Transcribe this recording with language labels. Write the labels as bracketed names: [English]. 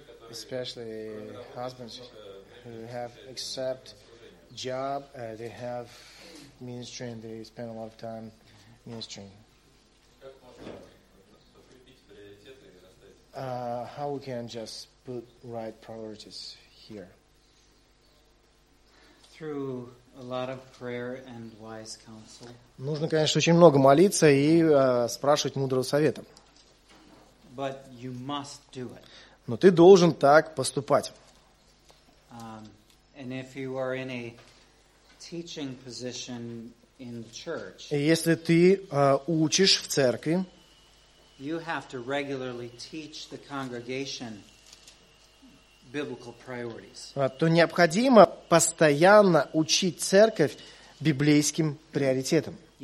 [English] Especially husbands who have accept job, they have ministry and they spend a lot of time ministering. How we can just put right priorities here? Through a lot of prayer and wise counsel. [Russian] Нужно, конечно, очень много молиться и спрашивать мудрого совета. [English] But you must do it. [Russian] Но ты должен так поступать. [English] And if you are in a teaching position in the church. [Russian] Если ты учишь в церкви, [English] you have to regularly teach the congregation biblical priorities. [Russian] То необходимо постоянно учить церковь библейским приоритетам.